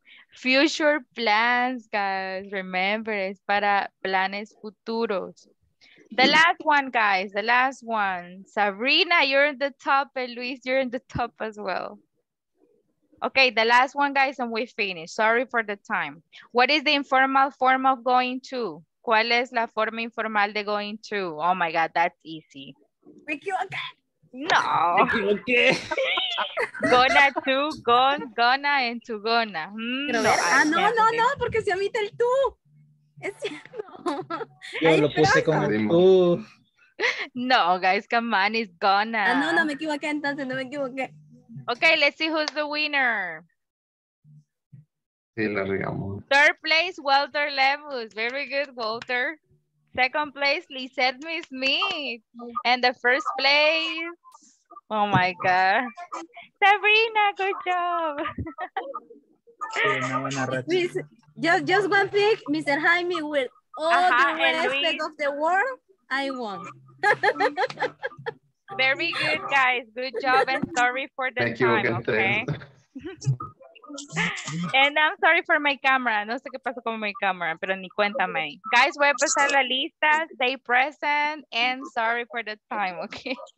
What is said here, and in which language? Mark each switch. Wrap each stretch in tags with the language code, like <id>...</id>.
<en>Future plans, guys, remember,</en> <es>es para planes futuros.</es> <en>The last one, guys, the last one. Sabrina, you're in the top, and Luis, you're in the top as well. Okay, the last one, guys, and we finish. Sorry for the time. What is the informal form of going to?</en> <es>¿Cuál es la forma informal de</es> <en>going to? Oh, my God, that's easy. No. Gonna to, gone, gonna, and to gonna.</en> <es>No, no, porque se omite el tú. Es cierto. Yo lo puse con el tú.</es> <en>No, guys, come on, it's gonna.</en> <es>Ah, no, me equivoqué entonces, no me equivoqué.</es> <en>Okay, let's see who's the winner.</en> <es>Sí, la regamos.</es> <en>Third place, Walter Lemus. Very good, Walter. Second place, Lizette Smith. And the first place, oh my God. Sabrina, good job. just one thing, Mr. Jaime, with all the respect of the world, I won. Very good, guys. Good job, and sorry for the time, okay? And I'm sorry for my camera.</en> <es>No sé qué pasó con mi camera, pero ni cuéntame. Guys, voy a pasar la lista.</es> <en>Stay present and sorry for the time, okay?</en>